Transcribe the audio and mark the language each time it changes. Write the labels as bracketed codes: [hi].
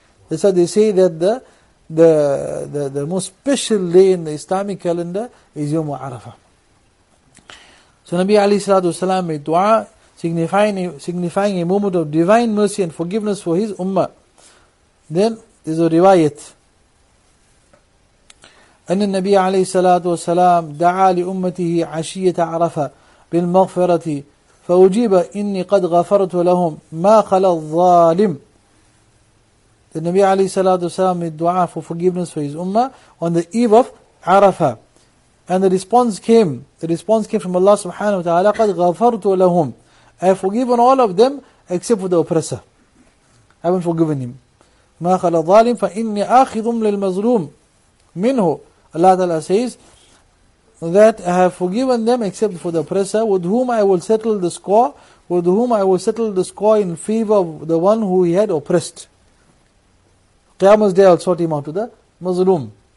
[en] That's why they say that the most special day in the Islamic calendar is Yom Arafah. So Nabi alayhi salatu wasalam made dua, signifying a moment of divine mercy and forgiveness for his ummah. Then there's a riwayat. [ar] أن النبي عليه الصلاة والسلام دعا لأمته عشية عرفة بالمغفرة فأجيب إني قد غفرت لهم ما خلى الظالم. [en] The Nabi عليه الصلاة والسلام made dua for forgiveness for his ummah on the eve of Arafah. And the response came. The response came from Allah subhanahu wa ta'ala, [ar] قد غفرت لهم. [en] I have forgiven all of them except for the oppressor. I haven't forgiven him. [ar] ما خلى الظالم فإني آخذ للمظلوم. [en] Minhu, Allah Ta'ala says that I have forgiven them except for the oppressor, with whom I will settle the score, with whom I will settle the score in favor of the one who he had oppressed. Qiyamah's day, I'll sort him out to the mazlum.